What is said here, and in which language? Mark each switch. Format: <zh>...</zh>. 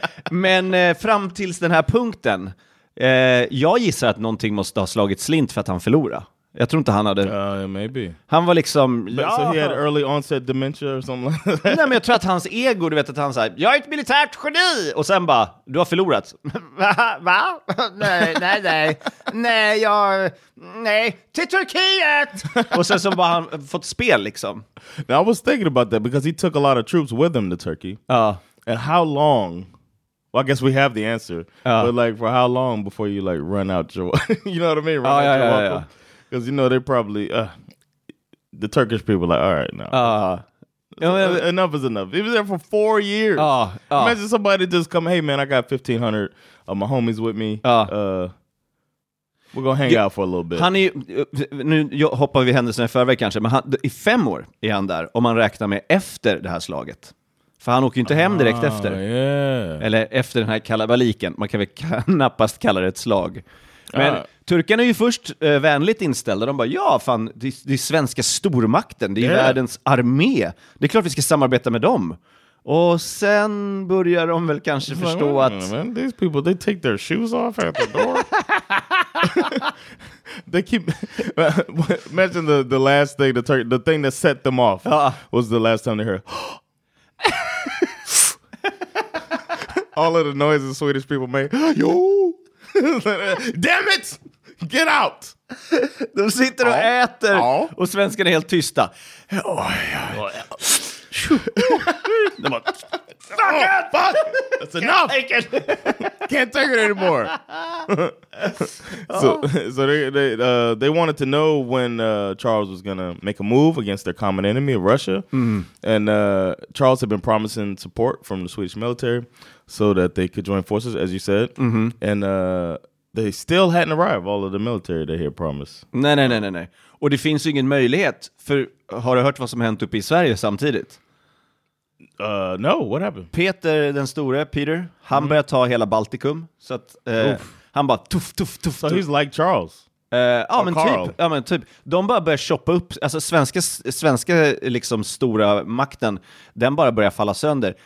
<sv>men fram tills den här punkten. Jag gissar att någonting måste ha slagit slint för att han förlorade. Jag tror inte han hade...</sv> <en>Maybe.</en> <sv>Han var liksom...</sv> <en>So he had early onset dementia or something like that.</en> <sv>Nej, men jag tror att hans ego, du vet att han säger, jag är ett militärt geni! Och sen bara, du har förlorat. Va? Nej. Nej, jag... Nej, till Turkiet! Och sen så bara han fått spel liksom.</sv> <en>Now I was thinking about that because he took a lot of troops with him to Turkey. And how long? Well, I guess we have the answer. But like for how long before you like run out your... you know what I mean? Yeah. Because you know they probably... the Turkish people are like, all right, no. Enough is enough. He was there for 4 years. Imagine somebody just come, hey man, I got 1,500 of my homies with me. We're gonna hang out for a little bit.</en> <sv>Han är nu hoppar vi händelsen i förväg kanske, men han, i 5 år är han där om man räknar med efter det här slaget. För han åker ju inte hem direkt efter. Eller efter den här kalabaliken. Man kan väl knappast kalla det ett slag. Men turkarna är ju först vänligt inställda. De bara, ja fan, det är svenska stormakten. Det är världens armé. Det är klart vi ska samarbeta med dem. Och sen börjar de väl kanske it's förstå like, att...</sv> <en>Man, these people, they take their shoes off at the door. They keep... Imagine the last thing, the thing that set them off was the last time they heard... All of the noises Swedish people make. Yo! Damn it! Get out!</en> <sv>De sitter och äter och svenskarna är helt tysta. De bara,</sv> <en>fuck it! Fuck! That's enough! Take it. Can't take it anymore! So they wanted to know when Charles was gonna make a move against their common enemy of Russia. And Charles had been promising support from the Swedish military so that they could join forces, as you said. And they still hadn't arrived, all of the military that he had promised.</en> <sv>Nej. Och det finns ju ingen möjlighet, för har du hört vad som hänt uppe i Sverige samtidigt?</sv> <en>No, what happened?</en> <sv>Peter den store, Peter, han började ta hela Baltikum. Så att han bara tuff.</sv> <en>So he's like Charles.</en> <sv>Ja men typ. De bara börjar choppa upp, alltså svenska liksom stora makten, den bara börjar falla sönder.</sv>